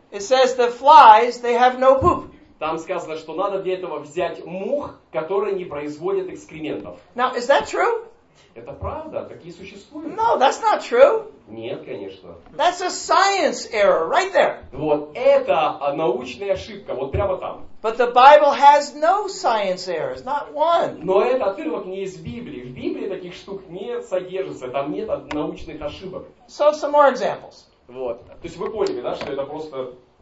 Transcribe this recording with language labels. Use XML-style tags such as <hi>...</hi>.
<en>It says the flies, they have no poop.</en> <ru>Там сказано, что надо для этого взять мух, которые не производят экскрементов.</ru> <en>Now, is that true?</en> <ru>Это правда, такие существуют.</ru> <en>No, that's not true.</en> <ru>Нет, конечно.</ru> <en>That's a science error, right there.</en> <ru>Вот, это научная ошибка, вот прямо там.</ru> <en>But the Bible has no science errors, not one.</en> <ru>Но этот отрывок не из Библии. В Библии таких штук не содержится, там нет научных ошибок.</ru> <en>So, some more examples.</en> <ru>Вот, то есть вы поняли, да, что это просто...</ru>